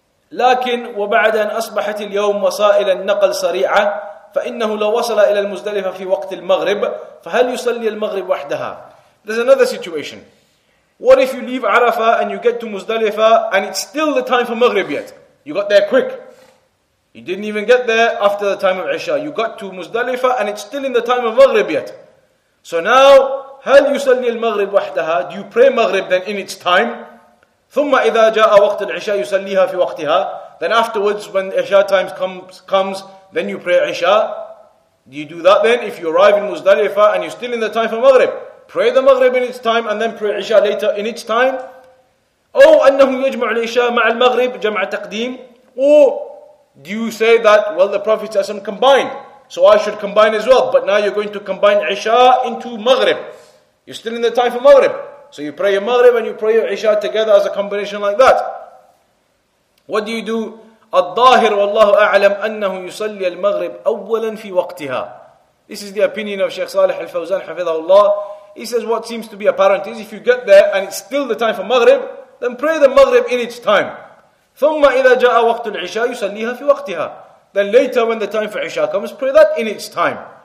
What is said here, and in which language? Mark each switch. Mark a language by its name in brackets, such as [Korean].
[Arabic] لكن وبعد أن أصبحت اليوم وسائل النقل سريعة فإنه لو وصل إلى المزدلفة في وقت المغرب فهل يصلي المغرب وحدها. [English] There's another situation. What if you leave Arafah and you get to Muzdalifah and it's still the time for Maghrib yet? You got there quick. You didn't even get there after the time of Isha. You got to Muzdalifah and it's still in the time of Maghrib yet. So now, [Arabic] هل يصلي المغرب وحدها? [English] Do you pray Maghrib then in its time? [Arabic] ثم إذا جاء وقت العشاء يصليها في وقتها. [English] Then afterwards, when Isha time comes, then you pray Isha. Do you do that then if you arrive in Muzdalifah and you're still in the time for Maghrib? Pray the Maghrib in its time and then pray Isha later in its time. [Arabic] أو أنه يجمع العشاء مع المغرب جمع تقديم. [English] Or do you say that, well, the Prophet ﷺ combined, so I should combine as well. But now you're going to combine Isha into Maghrib. You're still in the time for Maghrib. So you pray your Maghrib and you pray your Isha together as a combination like that. What do you do? [Arabic] الظاهر والله أعلم أنه يصلي المغرب أولا في وقتها. [English] This is the opinion of Sheikh Saleh Al-Fawzan حفظه الله. He says what seems to be apparent is if you get there and it's still the time for Maghrib, then pray the Maghrib in its time. [Arabic] ثُمَّ إِذَا جَاءَ وَقْتُ الْعِشَاءِ يُسَلِّيهَا فِي وَقْتِهَا. [English] Then later when the time for Isha comes, pray that in its time.